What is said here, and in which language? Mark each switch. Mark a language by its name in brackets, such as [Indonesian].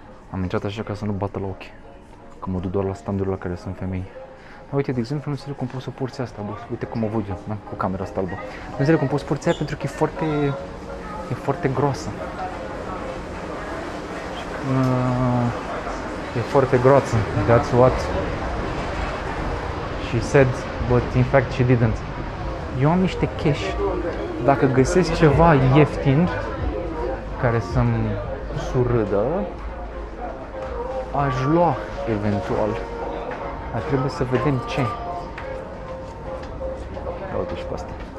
[Romanian] Am intrat așa ca să nu bată la ochi. că mă duc doar la standurile la care sunt femei. Uite, de exemplu, nu înțeleg cum poți să porți asta, bă. Uite cum o văd eu, da? Cu camera asta albă. Nu înțeleg cum poți să porți aia pentru că e foarte groasă. E foarte groasă, [English] that's what she said, but in fact she didn't. [Romanian] Eu am niște cash. Dacă găsesc ceva ieftin care să-mi surâdă, aș lua eventual. Dar trebuie să vedem ce. Ia uite și pe asta.